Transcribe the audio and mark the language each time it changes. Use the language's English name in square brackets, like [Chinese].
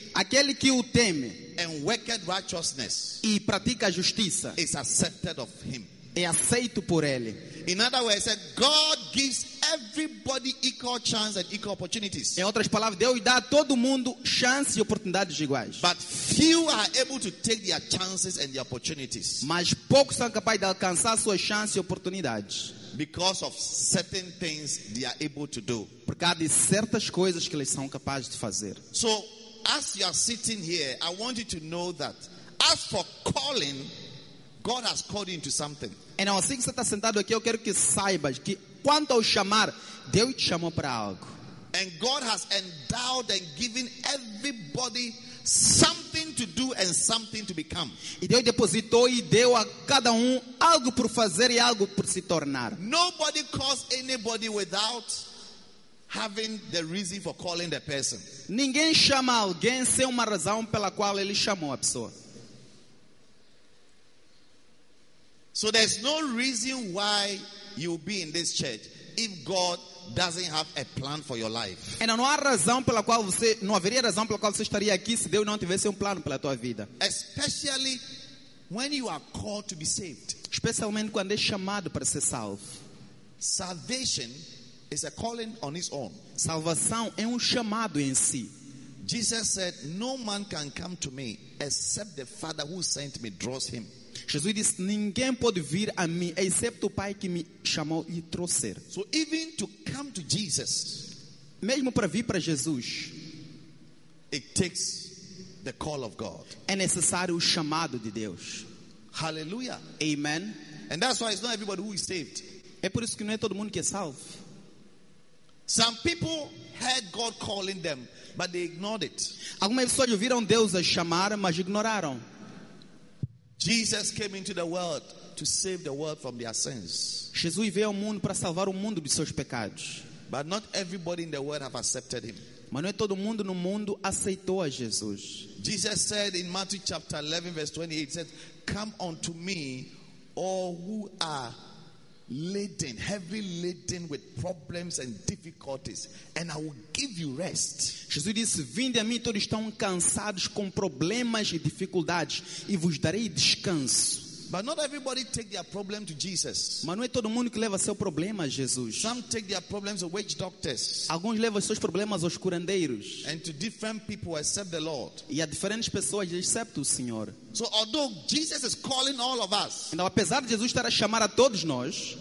[Portuguese] aquele que o teme, [English] and worketh righteousness, [Portuguese] e pratica justiça, [English] is accepted of him, [Portuguese] é aceito por ele. [English] In other words, God gives everybody equal chance and equal opportunities. [Portuguese] Em outras palavras, Deus dá a todo mundo chance e oportunidades iguais. [English] But few are able to take their chances and their opportunities. [Portuguese] Mas poucos são capazes de alcançar suas chances e oportunidades. [English] Because of certain things they are able to do. [Portuguese] Por causa de certas coisas que eles são capazes de fazer. [English] So, as you are sitting here, I want you to know that as for calling, God has called you into something. [Portuguese] Então, assim que você está sentado aqui, eu quero que saibas que quanto ao chamar, Deus te chamou para algo. [English] And God has endowed and given everybody something to do and something to become. [Portuguese] E Deus depositou e deu a cada algo por fazer e algo por se tornar. [English] Nobody calls anybody without having the reason for calling the person. [Portuguese] Ninguém chama alguém sem uma razão pela qual ele chamou a pessoa. [English] So there's no reason why you'll be in this church if God doesn't have a plan for your life. [Portuguese] Então não há razão pela qual você não haveria razão pela qual você estaria aqui se Deus não tivesse plano pela tua vida. [English] Especially when you are called to be saved. [Portuguese] Especialmente quando é chamado para ser salvo. [English] Salvation is a calling on its own. [Portuguese] Salvação é chamado em si. [English] Jesus said, "No man can come to me except the Father who sent me draws him." [Portuguese] Jesus disse, ninguém pode vir a mim, exceto o Pai que me chamou e trouxer. [English] So even to come to Jesus, [Portuguese] mesmo para vir para Jesus, [English] it takes the call of God. [Portuguese] É necessário o chamado de Deus. [English] Hallelujah. Amen. And that's why it's not everybody who is saved. [Portuguese] É por isso que não é todo mundo que é salvo. [English] Some people heard God calling them, but they ignored it. [Portuguese] Algumas pessoas ouviram Deus a chamar, mas ignoraram. [English] Jesus came into the world to save the world from their sins. [Portuguese] Jesus veio ao mundo para salvar o mundo de seus pecados. [English] But not everybody in the world have accepted him. [Portuguese] Mas não é todo mundo no mundo aceitou a Jesus. [English] Jesus said in Matthew chapter 11 verse 28, said, "Come unto me, all who are laden, heavy laden with problems and difficulties, and I will give you rest." [Portuguese] Jesus disse, "Vinde a mim todos estão cansados com problemas e dificuldades, e vos darei descanso." [English] But not everybody take their problem to Jesus. [Portuguese] Mas não é todo mundo que leva seu problema a Jesus. [English] Some take their problems to witch doctors. [Portuguese] Alguns levam seus problemas aos curandeiros. [English] And to different people except the Lord. [Portuguese] E a diferentes pessoas excepto o Senhor. [English] So although Jesus is calling all of us, [Portuguese] então, apesar de Jesus estar a chamar a todos nós,